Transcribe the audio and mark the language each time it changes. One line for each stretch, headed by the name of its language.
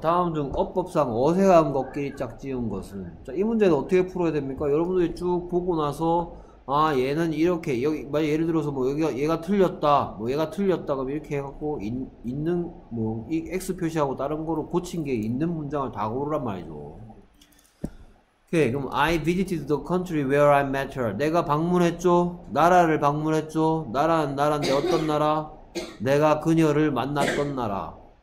Korean: 다음 중 어법상 어색한 것끼리 짝지은 것은. 자, 이 문제는 어떻게 풀어야 됩니까? 여러분들이 쭉 보고 나서, 아, 얘는 이렇게, 여기, 만약 예를 들어서 뭐, 여기가, 얘가 틀렸다. 그럼 이렇게 해갖고, 있는, 뭐, 이 X 표시하고 다른 거로 고친 게 있는 문장을 다 고르란 말이죠. 오케이. 그럼
English: I visited the country where I met her.
Korean: 내가 방문했죠? 나라를 방문했죠? 나라는 나라인데 어떤 나라? 내가 그녀를 만났던 나라.